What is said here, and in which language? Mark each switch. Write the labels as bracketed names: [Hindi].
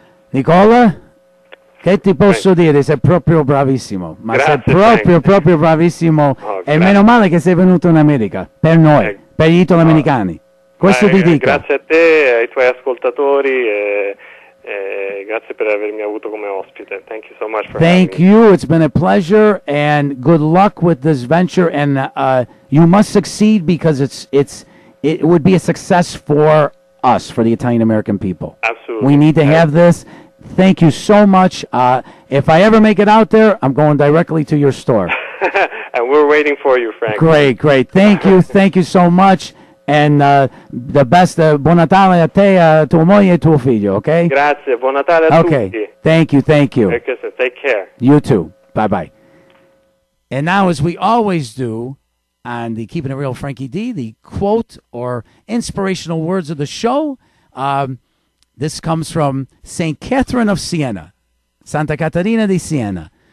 [Italian] Nicola, che ti posso dire? Sei proprio bravissimo. Ma grazie, sei proprio, [English] thanks. [Italian] Proprio bravissimo. Oh, e meno male che sei venuto in America. Per noi, per gli italoamericani. Questo ti dico. Grazie a te, ai tuoi ascoltatori. Grazie per avermi avuto come ospite. [English] Thank you so much for having you. It's been a pleasure, and good luck with this venture. And you must succeed, because it would be a success for us, for the Italian American people. Absolutely, we need to have this. Thank you so much. If I ever make it out there, I'm going directly to your store. And we're waiting for you, Frank. Great. Thank you. Thank you so much. And the best [Italian] Buon Natale a te, a tua moglie e tuo figlio, okay? Grazie, Buon Natale a tutti. [English] Okay, thank you. Take care. You too. Bye-bye. And now, as we always do on the Keeping It Real Frankie D, the quote or inspirational words of the show, this comes from St. Catherine of Siena, Santa Caterina di Siena.